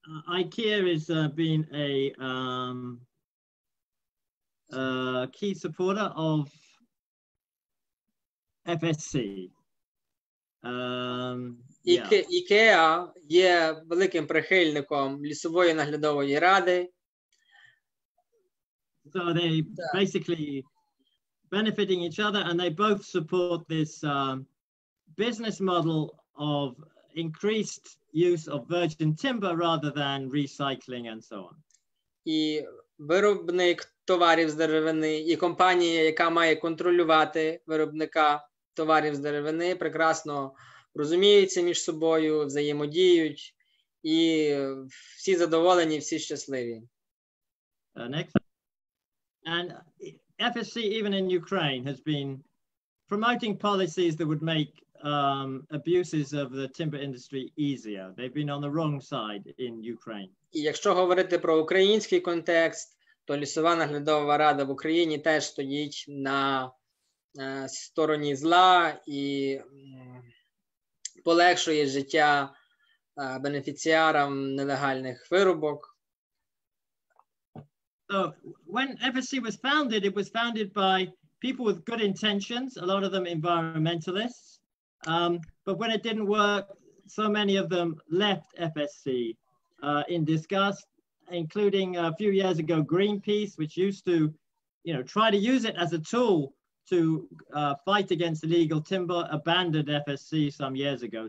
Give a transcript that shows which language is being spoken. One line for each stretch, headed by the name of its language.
English: IKEA is been a key supporter of FSC.
Ukrainian: IKEA є великим прихильником лісової наглядової ради.
English: So they basically benefiting each other, and they both support this business model of increased use of virgin timber rather than recycling and so on.
Ukrainian: І виробник товарів з деревини і компанія, яка має контролювати виробника товарів з деревини, прекрасно розуміються між собою, взаємодіють, і всі задоволені, всі щасливі.
English: Next. And FSC, even in Ukraine, has been promoting policies that would make abuses of the timber industry easier. They've been on the wrong side in Ukraine.
Ukrainian: І якщо говорити про український контекст, то лісова наглядова рада в Україні теж стоїть на стороні зла і полегшує життя бенефіціарам нелегальних вирубок.
English: So when FSC was founded, it was founded by people with good intentions, a lot of them environmentalists. But when it didn't work, so many of them left FSC in disgust, including a few years ago Greenpeace, which used to, you know, try to use it as a tool to fight against illegal timber, abandoned FSC some years ago.